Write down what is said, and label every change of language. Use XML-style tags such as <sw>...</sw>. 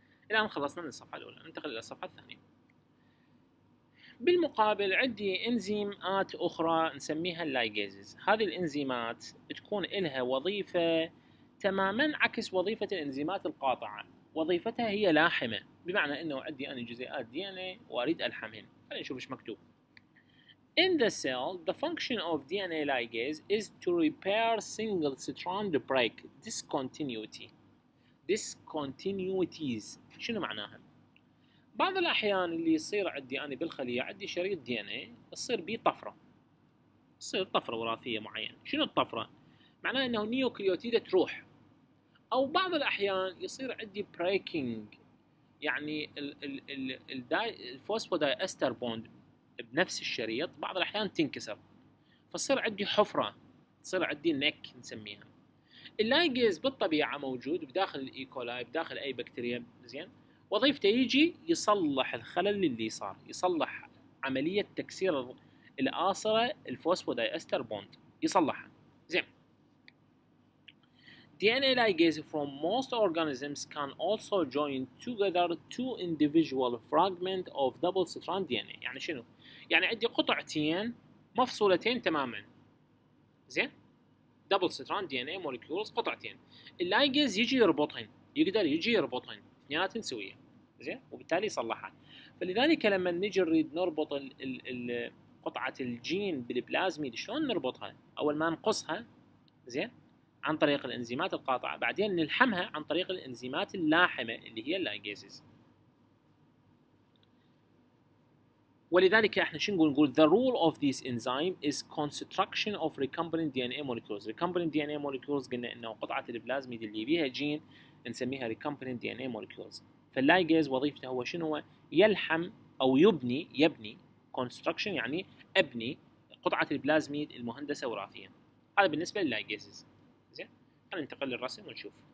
<ar>الآن خلصنا من الصفحة الأولى، ننتقل إلى الصفحة الثانية. بالمقابل عندي إنزيمات أخرى نسميها الليجيزز. هذه الإنزيمات تكون إلها وظيفة تماماً عكس وظيفة الإنزيمات القاطعة، وظيفتها هي لاحمة، بمعنى أنه عندي أنا جزيئات DNA وأريد ألحمهن. خلينا نشوف إيش مكتوب.</ar> <en>In the cell, the function of DNA ligase is to repair single strand break discontinuity. Discontinuities.</en> <ar>شنو معناها؟ بعض الأحيان اللي يصير عندي أنا بالخلية عندي شريط DNA يصير بيه طفرة. يصير طفرة وراثية معينة. شنو الطفرة؟ معناها إنه نيوكليوتيدة تروح. أو بعض الأحيان يصير عندي breaking، يعني الفوسفودايستر بوند بنفس الشريط بعض الأحيان تنكسر، فصير عندي حفرة، صير عندي نيك نسميها. اللايجيز بالطبيعة موجود بداخل الإيكولاي، بداخل أي بكتيريا، زين، وظيفته يجي يصلح الخلل اللي صار، يصلح عملية تكسير الآصرة الفوسفودايستر بوند، يصلحها.</ar> <en>زين، DNA ligase from most organisms can also join together two individual fragments of double strand DNA.</en> <ar>يعني شنو؟ يعني عندي قطعتين مفصولتين تماما، زين،</ar> <en>double strand DNA molecules،</en> <ar>قطعتين الليجيز يجي يربطهن، يقدر يجي يربطهن اثنيناتهم سويه، زين، وبالتالي يصلحها. فلذلك لما نجي نريد نربط قطعه الجين بالبلازميد شلون نربطها؟ اول ما نقصها، زين، عن طريق الانزيمات القاطعه، بعدين نلحمها عن طريق الانزيمات اللاحمه اللي هي الليجيزز. ولذلك احنا شنو نقول؟</ar> <en>The role of this enzyme is construction of recombinant DNA molecules.</en> <ar>Recombinant DNA molecules قلنا انه قطعة البلازميد اللي بيها جين نسميها recombinant DNA molecules. فالليجيز وظيفته هو شنو؟ يلحم او يبني construction، يعني ابني قطعة البلازميد المهندسة وراثيا. هذا بالنسبة للليجيز. زين، خلينا ننتقل للرسم ونشوف.</ar>